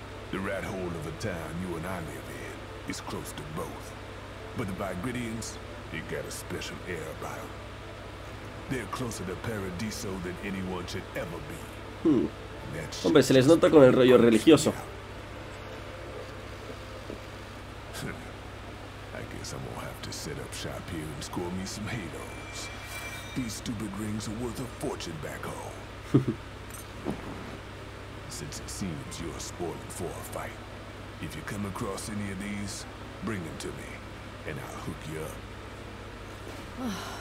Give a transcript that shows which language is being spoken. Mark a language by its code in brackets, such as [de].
[en] The rat hole of the town you and I live in is close to both. But the Bygridians, they got a special air about them. They're closer to Paradiso than anyone should ever be. [es] Hombre, se les nota con el rollo religioso. [en] I guess I'm gonna have to set up shop here and score me some halos. These stupid rings are worth a fortune back home. Since it seems you're spoiling for a fight, if you come across any of these, bring them to me, and I'll hook you up.